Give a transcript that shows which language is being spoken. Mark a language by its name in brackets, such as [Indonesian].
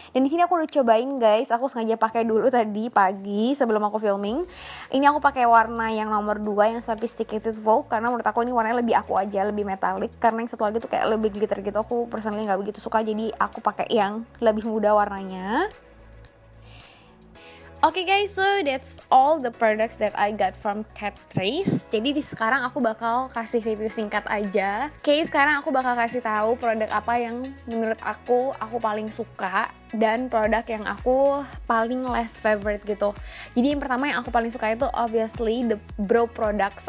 [Indonesian] Dan di sini aku udah cobain, guys. Aku sengaja pakai dulu tadi pagi sebelum aku filming. Ini aku pakai warna yang nomor 2 yang Sophisticated Vogue, karena menurut aku ini warnanya lebih aku aja, lebih metallic, karena yang satu lagi tuh kayak lebih glitter gitu. Aku personally enggak begitu suka, jadi aku pakai yang lebih muda warnanya. [English] Okay guys, so that's all the products that I got from Catrice. [Indonesian] Jadi di sekarang aku bakal kasih review singkat aja. Okay, sekarang aku bakal kasih tahu produk apa yang menurut aku paling suka, dan produk yang aku paling less favorite gitu. Jadi yang pertama yang aku paling suka itu [English] obviously the Brow products.